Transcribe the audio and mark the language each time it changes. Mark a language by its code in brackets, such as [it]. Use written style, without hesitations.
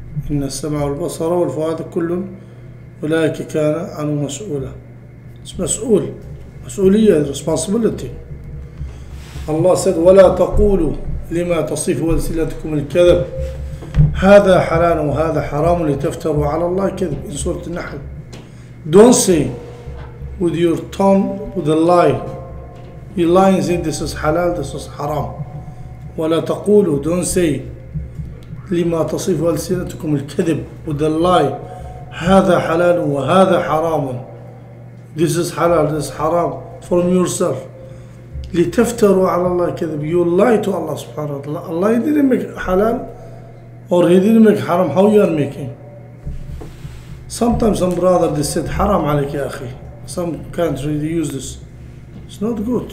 [ar] إن السمع والبصر والفؤاد كل أولئك كان عنه مسؤولا. [en] It's [ar] مسؤول. مسؤولية [en] responsibility. Allah said [ar] ولا تقولوا لما تصفوا ألسنتكم الكذب هذا حلال وهذا حرام لتفتروا على الله كذب. [en] In Surah An-Nahl, don't say with your tongue with a lie. You lie and say this is halal, this is haram. [ar] ولا تقولوا, [en] don't say [ar] لما تصفوا ألسنتكم الكذب [en] with a lie [ar] هذا حلال وهذا حرام. [en] This is halal, this is haram from yourself. [ar] لتفتروا على الله كذب. [en] You lie to Allah subhanahu wa ta'ala. Allah didn't make halal or He didn't make haram. How you are making? Sometimes some brother they said haram [ar] عليك يا أخي. [en] Some country they use this. It's not good.